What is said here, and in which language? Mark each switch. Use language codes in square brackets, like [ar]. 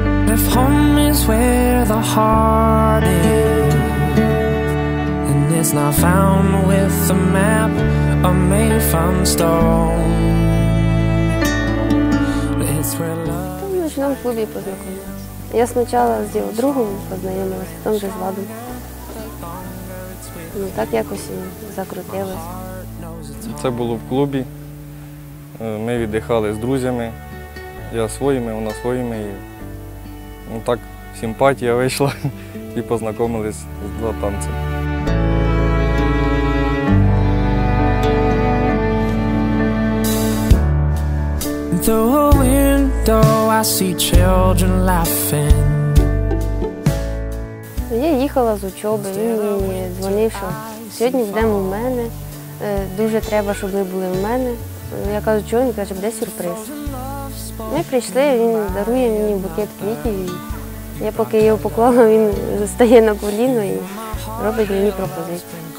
[en] If home is where the heart is, and it's not found with a map or made from stone, it's where love. [uk] Ми в ночному клубі познайомилися. Я спочатку з його другом познайомилася, потім вже з Владом. Ну так якось і закрутилось. Це було в клубі, ми віддихали з друзями, я своїми, вона своїми, і ну, так симпатія вийшла, і познайомились з два танцем. [en] Through a window I see children laughing. [uk] Я їхала з учоби, він мені дзвонив, що сьогодні йдемо в мене. Дуже треба, щоб ви були в мене. Я кажу, чого? Він каже, де сюрприз? Ми прийшли, він дарує мені букет квітів. Я поки його поклала, він стає на коліно і робить мені пропозицію.